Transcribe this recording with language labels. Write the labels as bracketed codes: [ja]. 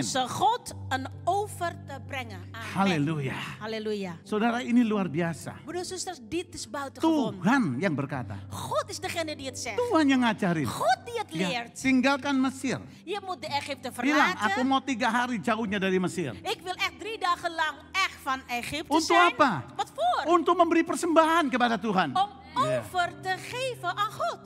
[nl] Onze God een offer te brengen. Amen. Haleluya. Haleluya. [id] Saudara, ini luar biasa. [nl] Broeders, zusters, dit is buitengewoon. [id] Tuhan yang berkata. [nl] God is degene die het zegt. [id] Tuhan yang ngajarin. [nl] God die het leert. [id] Ya, tinggalkan Mesir. [nl] Je moet de Egypte verlaten. [id] Bilang, aku mau 3 hari jauhnya dari Mesir. [nl] Ik wil echt 3 dagen lang echt van Egypte [id] Untuk [nl] zijn. [id] Apa? [nl] Wat voor? [id] Untuk memberi persembahan kepada Tuhan. [nl] Om offer te geven aan God.